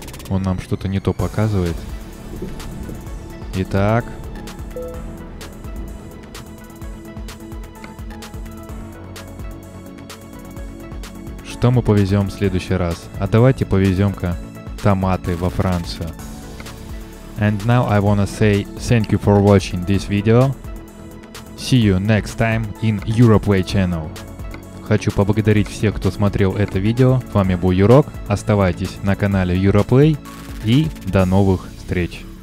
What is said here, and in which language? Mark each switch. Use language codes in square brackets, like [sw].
[ru] Он нам что-то не то показывает. Итак. Что мы повезем в следующий раз? А давайте повезем-ка томаты во Францию. [en] And now I wanna say thank you for watching this video. See you next time in Europeway Channel. [ru] Хочу поблагодарить всех, кто смотрел это видео. С вами был Юрок. Оставайтесь на канале Europeway. И до новых встреч.